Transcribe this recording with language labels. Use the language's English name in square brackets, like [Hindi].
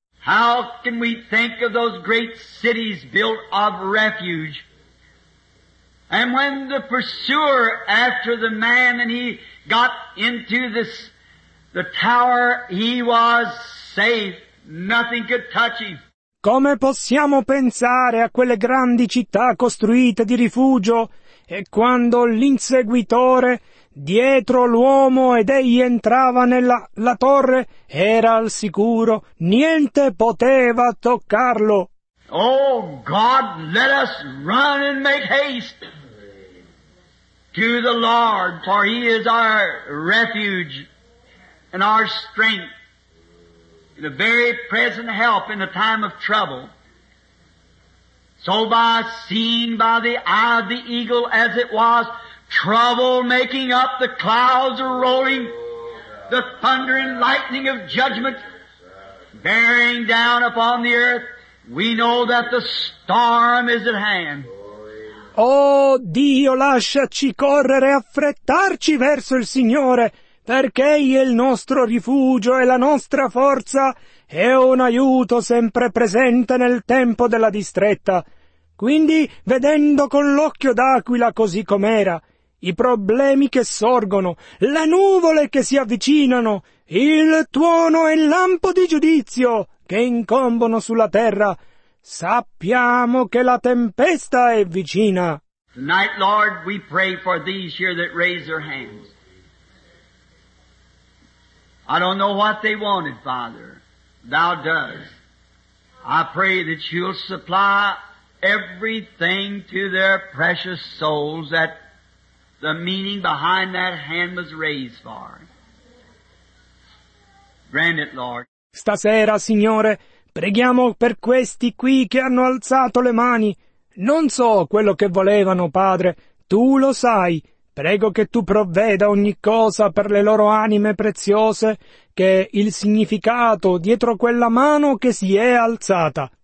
[English] How can we think of those great cities built of refuge? And when the pursuer after the man and he got into this, the tower, he was safe. Nothing could touch him. [Italian] Come possiamo pensare a quelle grandi città costruite di rifugio? E quando l'inseguitore dietro l'uomo ed egli entrava nella la torre, era al sicuro, niente poteva toccarlo. [English] Oh God, let us run and make haste to the Lord, for He is our refuge and our strength, and a very present help in a time of trouble. So by seeing by the eye of the eagle as it was, trouble making up, the clouds are rolling, the thunder and lightning of judgment bearing down upon the earth, we know that the storm is at hand. [Italian] Oh Dio, lasciaci correre, affrettarci verso il Signore, perché Egli è il nostro rifugio e la nostra forza e un aiuto sempre presente nel tempo della distretta. Quindi, vedendo con l'occhio d'aquila così com'era, i problemi che sorgono, le nuvole che si avvicinano, il tuono e il lampo di giudizio che incombono sulla terra. Sappiamo che la tempesta è vicina. [English] Tonight, Lord, we pray for these here that raise their hands. I don't know what they wanted, Father. Thou does. I pray that you'll supply everything to their precious souls that the meaning behind that hand was raised for. Grant it, Lord. [Italian] Stasera, Signore, preghiamo per questi qui che hanno alzato le mani. Non so quello che volevano, Padre. Tu lo sai. Prego che tu provveda ogni cosa per le loro anime preziose, che il significato dietro quella mano che si è alzata.